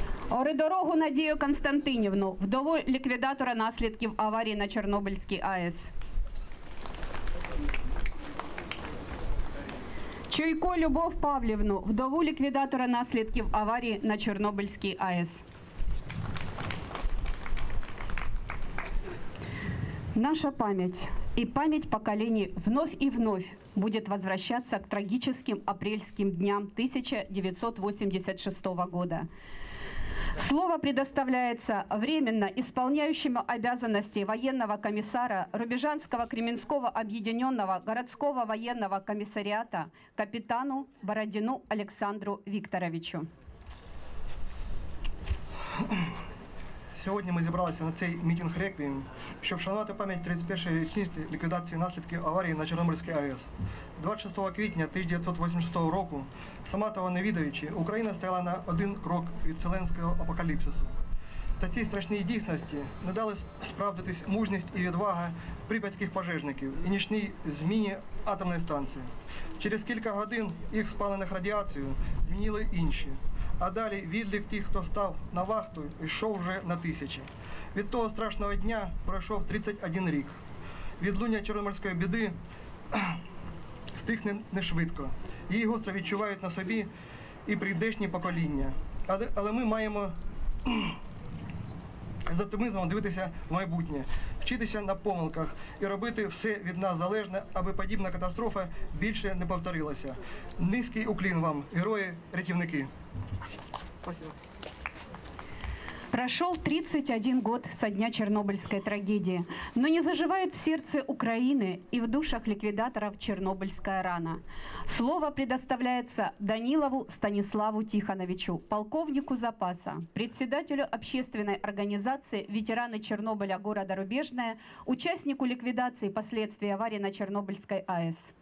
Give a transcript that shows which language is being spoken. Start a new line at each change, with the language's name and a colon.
Ukrainian: Оридорогу Надію Константинівну, вдову ліквідатора наслідків аварії на Чорнобильській АЕС. Чуйко Любов Павлівну, вдову ліквідатора наслідків аварії на Чорнобильській АЕС.
Russian: Наша пам'ять и память поколений вновь и вновь будет возвращаться к трагическим апрельским дням 1986 года. Слово предоставляется временно исполняющему обязанности военного комиссара Рубежанского Кременского объединенного городского военного комиссариата капитану Бородину Александру Викторовичу.
Ukrainian: Сьогодні ми зібралися на цей мітинг реквієм, щоб вшанувати пам'ять 31-ї річниці ліквідації наслідків аварії на Чорнобильській АЕС. 26 квітня 1986 року, сама того не відаючи, Україна стояла на один крок від вселенського апокаліпсису. Та цій страшній дійсності не дали справдитись мужність і відвага прип'ятських пожежників і нічній зміні атомної станції. Через кілька годин їх спалених радіацією змінили інші. А далі відлік тих, хто став на вахту, йшов вже на тисячі. Від того страшного дня пройшов 31 рік. Відлуння Чорнобильської біди стихне не швидко. Її гостро відчувають на собі і прийдешні покоління. Але ми маємо з оптимізмом дивитися в майбутнє, вчитися на помилках і робити все від нас залежне, аби подібна катастрофа більше не повторилася. Низький уклін вам, герої-рятівники!
Russian: Прошел 31 год со дня Чернобыльской трагедии, но не заживает в сердце Украины и в душах ликвидаторов чернобыльская рана. Слово предоставляется Данилову Станиславу Тихоновичу, полковнику запаса, председателю общественной организации «Ветераны Чернобыля города Рубежная», участнику ликвидации последствий аварии на Чернобыльской АЭС.